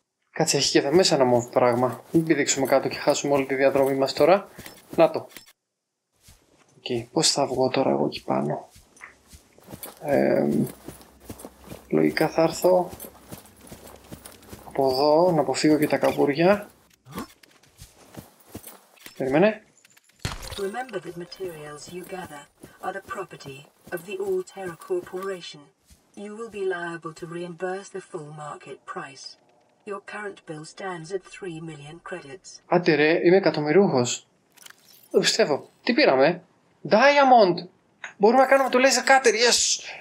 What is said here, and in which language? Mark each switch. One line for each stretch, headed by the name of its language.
Greek: Κάτσε, έχει και εδώ μέσα ένα μοβ πράγμα. Μην πηδήξουμε κάτω και χάσουμε όλη τη διαδρομή μας τώρα. Να το. Okay, πώς θα βγω τώρα εγώ εκεί πάνω? Λογικά θα έρθω από εδώ, να αποφύγω και τα καβούρια. Περιμένε.
English: Remember that materials you gather are the property of the All Terra Corporation. You will be liable to reimburse the full market price. Your current bill stands at 3 million credits.
Greek: Άντε ρε, είμαι εκατομμυρούχος. Δεν πιστεύω. Τι πήραμε? Diamond! Μπορούμε να κάνουμε το laser cutter, yes!